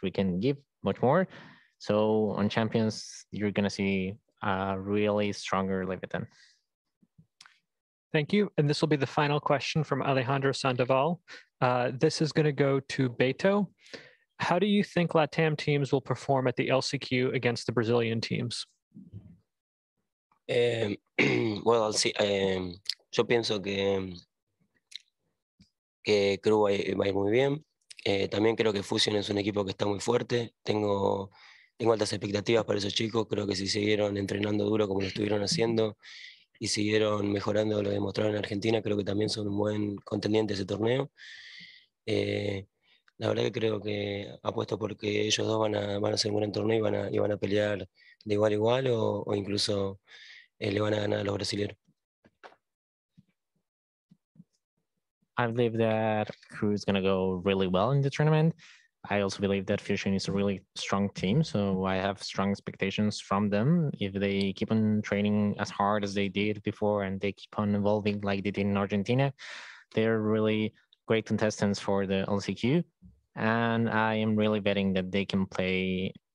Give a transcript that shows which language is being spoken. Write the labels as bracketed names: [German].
[English] We can give much more. So on champions, you're going to see a really stronger Leviatán. Thank you. And this will be the final question from Alejandro Sandoval. This is going to go to Beto. How do you think LATAM teams will perform at the LCQ against the Brazilian teams? Well, I'll see. [Spanish] Yo pienso que Cruz va a ir muy bien. También creo que Fusion es un equipo que está muy fuerte. Tengo altas expectativas para esos chicos. Creo que si siguieron entrenando duro como lo estuvieron haciendo y siguieron mejorando lo demostrado en Argentina, creo que también son un buen contendiente de ese torneo. La verdad que creo que apuesto porque ellos dos van a hacer un gran torneo y van a pelear de igual a igual o incluso le van a ganar a los brasileños. [English] I believe that Cruz is going to go really well in the tournament. I also believe that Fusion is a really strong team, so I have strong expectations from them. If they keep on training as hard as they did before and they keep on evolving like they did in Argentina, they're really great contestants for the LCQ. And I am really betting that they can play